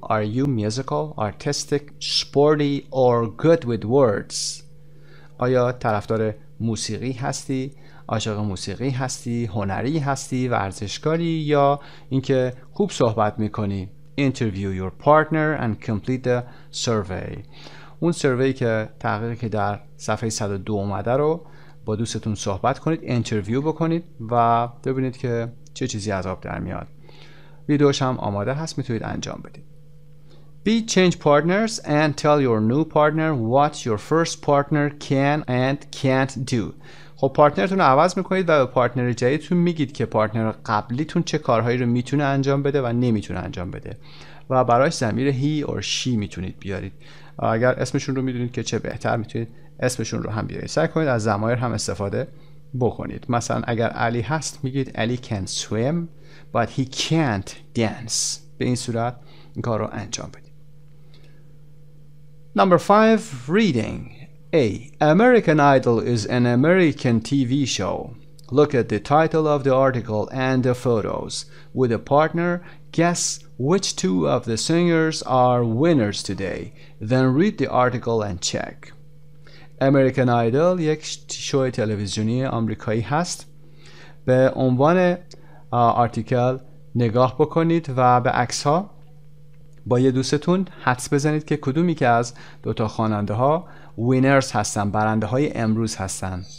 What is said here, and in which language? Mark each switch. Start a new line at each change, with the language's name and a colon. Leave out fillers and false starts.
English: Are you musical, artistic, sporty or good with words?
Persian: آیا طرفدار موسیقی هستی؟ عاشق موسیقی هستی؟ هنری هستی؟ ورزشکاری یا اینکه خوب صحبت میکنی؟
English: Interview your partner and complete the survey.
Persian: اون سروی که تحقیقی که در صفحه 102 اومده رو با دوستتون صحبت کنید، انترویو بکنید و ببینید که چه چیزی از آب در میاد. ویدیوش هم آماده هست، میتونید انجام بدید.
English: Be change partners and tell your new partner what your first partner can and can't do.
Persian: خب پارتنرتون رو عوض میکنید و به پارتنر جدیدتون میگید که پارتنر قبلیتون چه کارهایی رو میتونه انجام بده و نمیتونه انجام بده و برایش ضمیر
English: he or she
Persian: میتونید بیارید. اگر اسمشون رو میدونید که چه بهتر، میتونید اسمشون رو هم بیارید. سعی کنید از ضمایر هم استفاده بکنید. مثلا اگر علی هست میگید علی
English: can swim but he can't dance.
Persian: به این صورت این کار رو انجام بدید.
English: Number 5 reading. A. American Idol is an American TV show. Look at the title of the article and the photos. With a partner, guess which two of the singers are winners today. Then read the article and check.
Persian: American Idol یک شو تلویزیونی آمریکایی هست. به عنوان آرتیکل نگاه بکنید و به عکس ها با یه دوستتون حدس بزنید که کدومی که از دوتا خواننده ها وینرز هستن، برنده های امروز هستن.